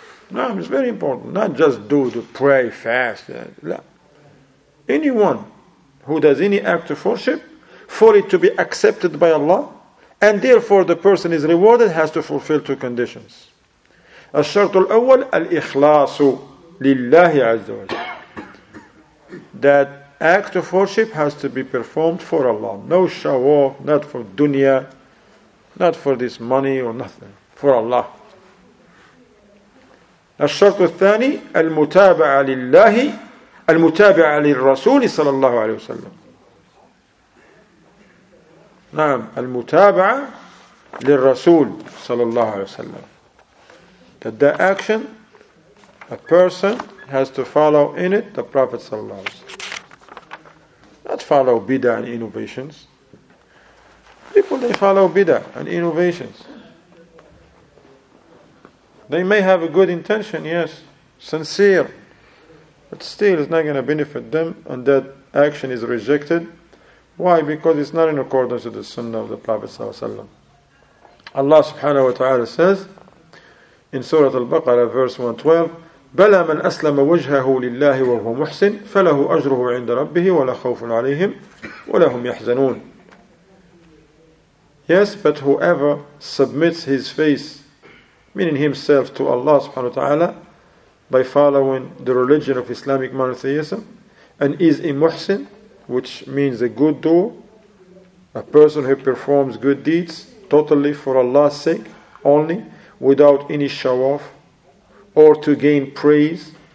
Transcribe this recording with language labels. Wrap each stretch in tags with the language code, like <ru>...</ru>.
<en>No, it's very important. Not just to pray, fast. Anyone who does any act of worship, for it to be accepted by Allah, and therefore the person is rewarded, has to fulfill two conditions.</en> <ar>الشرط الأول الإخلاص لله عز وجل.</ar> <en>That act of worship has to be performed for Allah. No show off, not for dunya, not for this money or nothing. For Allah.</en> <ar>الشرط الثاني المتابعة لله المتابعة للرسول صلى الله عليه وسلم. نعم المتابعة للرسول صلى الله عليه وسلم.</ar> <en>That action, a person has to follow in it the Prophet صلى الله عليه وسلم. Not follow bid'ah and innovations. People, they follow bid'ah and innovations. They may have a good intention, yes, sincere, but still it's not going to benefit them, and that action is rejected. Why? Because it's not in accordance with the Sunnah of the Prophet ﷺ. Allah subhanahu wa ta'ala says in Surah Al-Baqarah, verse 112,</en> <ar>بَلَا مَنْ أَسْلَمَ وَجْهَهُ لِلَّهِ وَهُوَ مُحْسِنٌ فَلَهُ أَجْرُهُ عِنْدَ رَبِّهِ وَلَا خَوْفٌ عَلَيْهِمْ وَلَا هُمْ يَحْزَنُونَ.</ar> <en>Yes, but whoever submits his face, meaning himself, to Allah subhanahu wa ta'ala by following the religion of Islamic monotheism, and is a muhsin, which means a good doer, a person who performs good deeds totally for Allah's sake only, without any show off or to gain praise</en>